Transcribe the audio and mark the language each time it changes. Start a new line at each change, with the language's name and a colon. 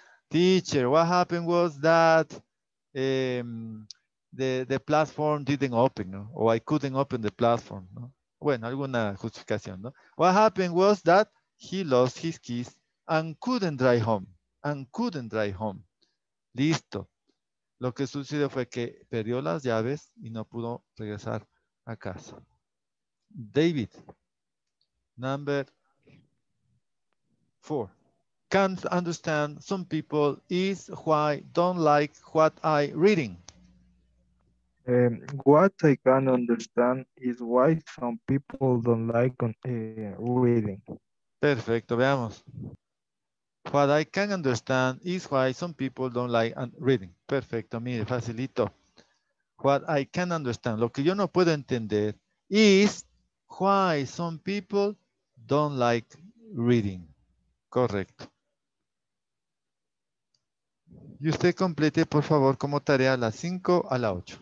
English: Teacher, what happened was that the platform didn't open,
Spanish: ¿no? O
English: I couldn't open the platform,
Spanish: ¿no? Bueno, alguna justificación, ¿no?
English: What happened was that he lost his keys and couldn't drive home. And couldn't drive home.
Spanish: Listo. Lo que sucedió fue que perdió las llaves y no pudo regresar a casa.
English: David, number four. Can't understand some people is why don't like what I reading. What I can't understand is why some people don't like reading.
Spanish: Perfecto, veamos.
English: What I can understand is why some people don't like reading.
Spanish: Perfecto, mire, facilito.
English: What I can understand,
Spanish: lo que yo no puedo entender,
English: is why some people don't like reading.
Spanish: Correcto. Y usted complete, por favor, como tarea la 5 a la 8.